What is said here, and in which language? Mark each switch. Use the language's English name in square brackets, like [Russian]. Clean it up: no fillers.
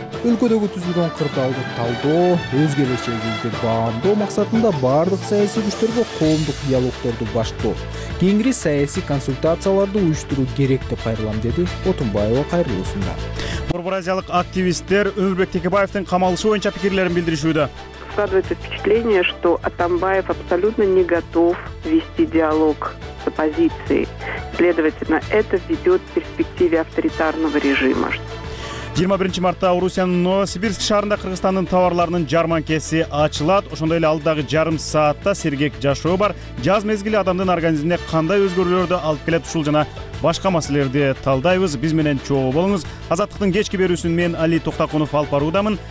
[Kyrgyz] Өлкөдөгү түзүлгөн кырдаалдык талдоо, өзгөлөчөгүздү баамдоо максатында бардык саясий күчтөргө коомдук диалогторду баштоо, кеңири саясий консультацияларды уюштуруу керек деп кайрылам, деди Отунбаева кайрылуусунда. Борбор-Азиялык активисттер Өмүрбек Текебаевдин камалышы боюнча пикирлерин билдиришүүдө. [Russian] Складывается впечатление, что Атамбаев абсолютно не готов вести диалог с оппозицией. Следовательно, это ведет к перспективе авторитарного режима. [Kyrgyz] 21 мартта Орусиянын Новосибирск шаарында Кыргызстандын товарларынын жарманкеси ачылат. Ошондой эле алдагы жарым саатта сергек жашоо бар. Жаз мезгили адамдын организмине кандай өзгөрүүлөрдү алып келет ушул жана башка маселелерди талдайбыз. Биз менен чогуу болуңуз. Азаттыктын кечки берүүсүн мен Али Токтокунов алып баруудамын.